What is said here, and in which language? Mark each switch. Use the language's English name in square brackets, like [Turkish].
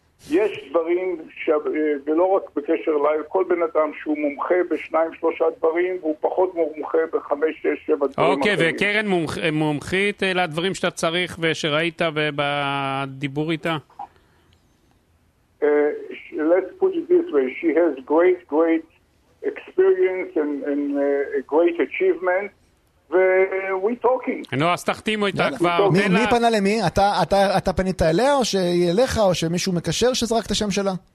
[Hebrew] יש דברים ולא רק בקשר אליי, כל בן אדם שהוא מומחה בשניים שלושה דברים והוא פחות מומחה בחמש, שש, שבע דברים. אוקיי, וקרן מומחית לדברים שאתה צריך ושראית ובדיבור איתה? [English] Let's put it this way, she has great great experience and a great achievement we talking. [Hebrew] נו, אז תחתימו איתה כבר. מי פנה למי? אתה פנית אליה או שהיא אליך או שמישהו מקשר שזרק את השם שלה?